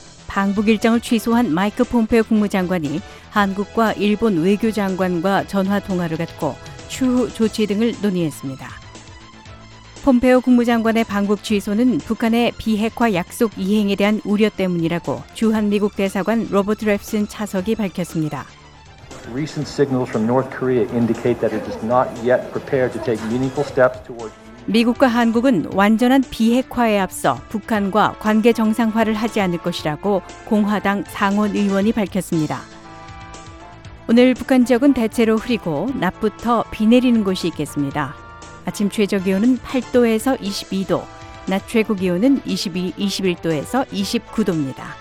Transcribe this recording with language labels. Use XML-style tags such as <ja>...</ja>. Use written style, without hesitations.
<ko>방북 일정을 취소한 마이크 폼페이오 국무장관이 한국과 일본 외교장관과 전화 통화를 갖고 추후 조치 등을 논의했습니다. 폼페이오 국무장관의 방북 취소는 북한의 비핵화 약속 이행에 대한 우려 때문이라고 주한미국 대사관 로버트 랩슨 차석이 밝혔습니다.</ko> <en>Recent signals from North Korea indicate that it is not yet prepared to take meaningful steps towards</en> <ko>미국과 한국은 완전한 비핵화에 앞서 북한과 관계 정상화를 하지 않을 것이라고 공화당 상원의원이 밝혔습니다. 오늘 북한 지역은 대체로 흐리고 낮부터 비 내리는 곳이 있겠습니다. 아침 최저 기온은 8도에서 22도, 낮 최고 기온은 21도에서 29도입니다.</ko>